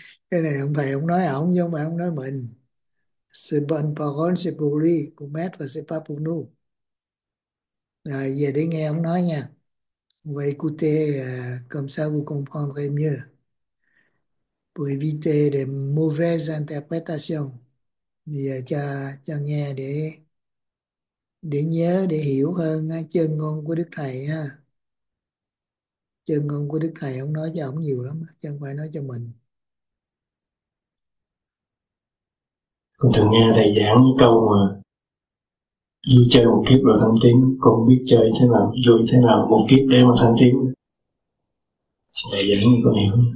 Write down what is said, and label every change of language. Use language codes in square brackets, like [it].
[vi] Cái này ông thầy ông nói ổng nhưng mà ông nói mình. [fr] C'est bon parole, c'est pour lui, pour maître, c'est pas pour nous. [vi] Rồi giờ đi nghe ông nói nha. [fr] Vous écoutez, comme ça vous comprendrez mieux. Pour éviter des mauvaises interprétations. [vi] Giờ cho nghe để nhớ, để hiểu hơn chân ngôn của Đức Thầy ha. Chân ngôn của Đức Thầy ông nói cho ông nhiều lắm, chứ không phải nói cho mình. Con thường nghe thầy giảng câu mà vui chơi một kiếp rồi thăng tiến, con biết chơi thế nào, vui thế nào một kiếp để mà thăng tiến. Thầy giảng như con hiểu.